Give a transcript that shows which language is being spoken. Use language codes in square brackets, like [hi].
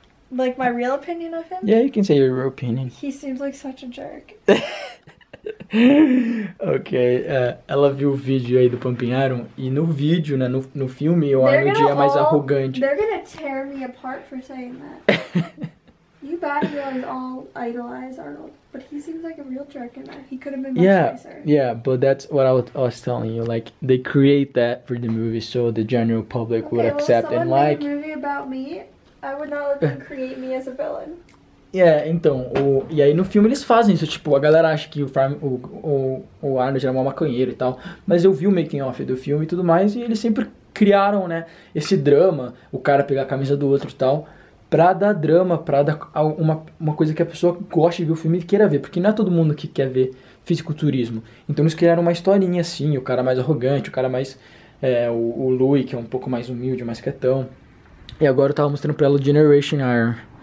[en] Like my real opinion of him? Yeah, you can say your real opinion. He seems like such a jerk. [pt] Ok, ela viu o vídeo aí do Pumping Iron e no vídeo, né, no filme, o Arnold é mais arrogante. [en] They're gonna tear me apart for saying that. You bad girls all idolize Arnold, but he seems like a real jerk in that. He could have been much nicer. Yeah, but that's what I was telling you. Like, they create that for the movie so the general public would accept and like. If someone made a movie about me, I would not let them create me as a villain. [pt] É, então, e aí no filme eles fazem isso, tipo, a galera acha que o Arnold era um maconheiro e tal, mas eu vi o making of do filme e tudo mais, e eles sempre criaram, né, esse drama, o cara pegar a camisa do outro e tal, pra dar drama, pra dar uma coisa que a pessoa goste de ver o filme e queira ver, porque não é todo mundo que quer ver fisiculturismo, então eles criaram uma historinha assim, o cara mais arrogante, o cara mais, o Louis, que é um pouco mais humilde, mais quietão, e agora eu tava mostrando pra ela o Generation Iron.